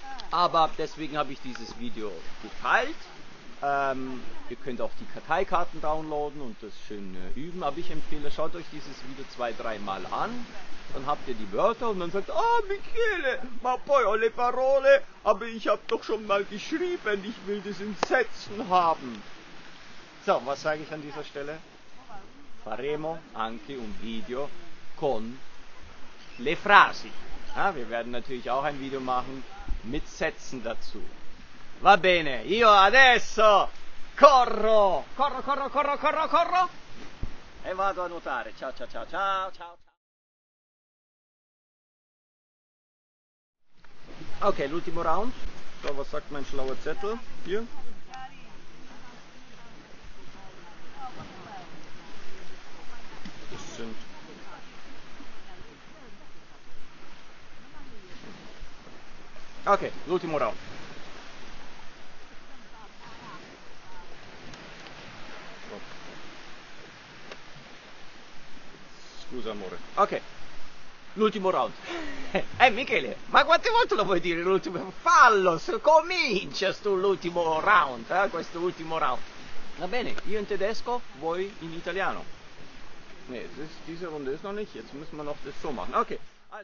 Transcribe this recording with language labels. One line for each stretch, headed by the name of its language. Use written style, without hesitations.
German: Aber deswegen habe ich dieses Video geteilt. Ihr könnt auch die Karteikarten downloaden und das schön üben. Aber ich empfehle, schaut euch dieses Video 2-3 Mal an. Dann habt ihr die Wörter und dann sagt, ah, Michele,
Italian: ma poi ho le parole,
German: aber ich hab doch schon mal geschrieben, ich will das in Sätzen haben. So, was sage ich an dieser Stelle?
Italian: Faremo anche un video con le frasi.
German: Ja, wir werden natürlich auch ein Video machen mit Sätzen dazu.
Italian: Va bene, io adesso corro, corro, corro, corro, corro, corro. E vado a nuotare, ciao, ciao, ciao, ciao, ciao. Okay, l'ultimo round.
German: So, was sagt mein schlauer Zettel hier? Das sind...
Italian: Okay, l'ultimo round. Scusa, amore. Okay. L'ultimo round. Michele, ma quante volte lo vuoi dire l'ultimo? Fallo, comincia tu l'ultimo round, questo ultimo round. Va bene, io in tedesco, voi in italiano.
German: Nee, diese Runde ist noch nicht, jetzt müssen wir noch das so machen. Okay.